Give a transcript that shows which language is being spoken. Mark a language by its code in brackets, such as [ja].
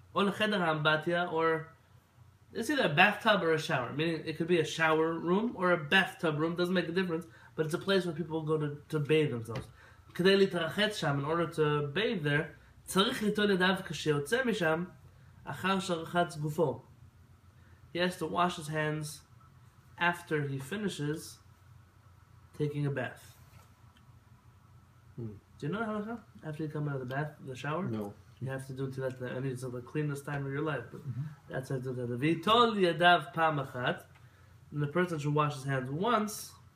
[en] Or it's either a bathtub or a shower. Meaning it could be a shower room or a bathtub room, doesn't make a difference, but it's a place where people go to bathe themselves. [he] כדי להתרחץ שם, [en] in order to bathe there, [he] צריך ליטול ידיו כשיוצא משם אחר שרחץ גופו. [en] He has to wash his hands after he finishes taking a bath. Do you know the halacha? After you come out of the bath, the shower? No. You have to do it until that, and it's the cleanest time of your life. But that's how you do that. [he] V'itol yadav pam achat. [en] And the person should wash his hands once.